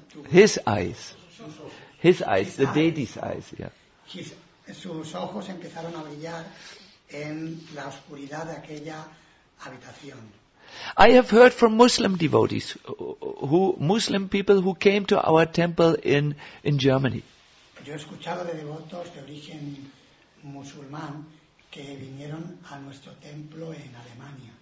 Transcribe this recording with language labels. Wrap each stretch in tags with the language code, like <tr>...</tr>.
<en>His eyes, the deity's eyes, yeah.</en> <es>Sus ojos empezaron a brillar en la oscuridad de aquella habitación.</es> <en>I have heard from Muslim devotees, Muslim people who came to our temple in Germany.</en> <es>Yo he escuchado de devotos de origen musulmán que vinieron a nuestro templo en Alemania.</es>